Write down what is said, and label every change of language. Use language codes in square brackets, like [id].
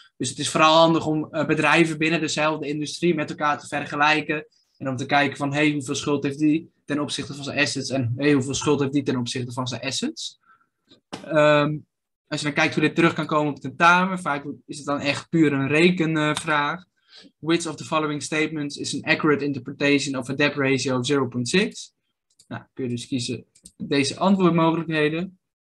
[nl] Dus het is vooral handig om bedrijven binnen dezelfde industrie met elkaar te vergelijken. En om te kijken van hey, hoeveel schuld heeft die ten opzichte van zijn assets. En hey, hoeveel schuld heeft die ten opzichte van zijn assets. Als je dan kijkt hoe dit terug kan komen op tentamen. Vaak is het dan echt puur een rekenvraag. [en] Which of the following statements is an accurate interpretation of a debt ratio of 0,6? [nl] Nou, kun je dus kiezen deze antwoordmogelijkheden.